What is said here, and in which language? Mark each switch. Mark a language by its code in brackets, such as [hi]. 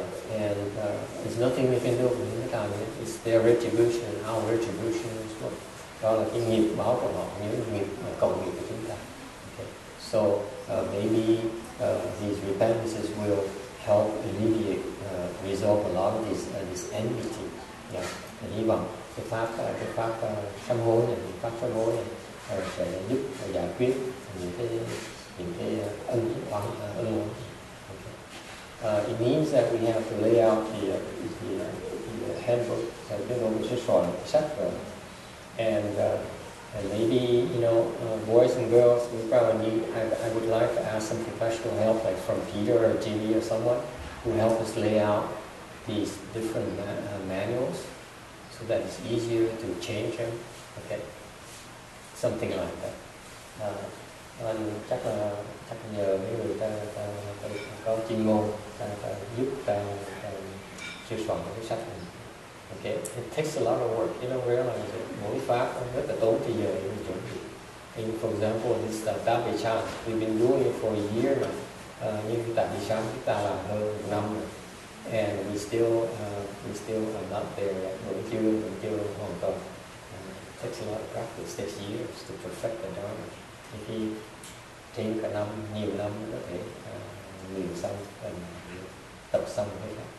[en] There's nothing we can do with the time. It's their retribution, our retribution as well. [vi] Đó là cái nghiệp báo của họ, những nghiệp cộng nghiệp của chúng ta. [en] Okay. So maybe these repentances will help alleviate, resolve a lot of this enmity. Yeah. [vi] Hy vọng cái pháp sám hối này, pháp sám hối này sẽ giúp giải quyết những cái ân oán ân oán. [en] It means that we have to lay out the handbook, which is for chakra. And maybe, you know, boys and girls, we probably need, I would like to ask some professional help, like from Peter or Jimmy or someone, who help us lay out these different manuals so that it's easier to change them. Okay? Something like that. [vi] Chắc nhờ mấy người ta có chuyên môn ta giúp ta sửa soạn cái sách này. [en] Okay, it takes a lot of work. You know, realize it. [vi] Mỗi pháp rất là tốn thời giờ để chuẩn bị. [en] And for example, this Tám Bì Chán, we've been doing it for a year now. [vi] Nhưng Tám Bì Chán chúng ta là hơn một năm rồi. [en] And we still are not there yet. [vi] Vẫn chưa hoàn toàn. [en] It takes a lot of practice. It takes years to perfect the Dharma. [vi] Khi trên cả năm, nhiều năm có thể luyện xong, tập xong hết.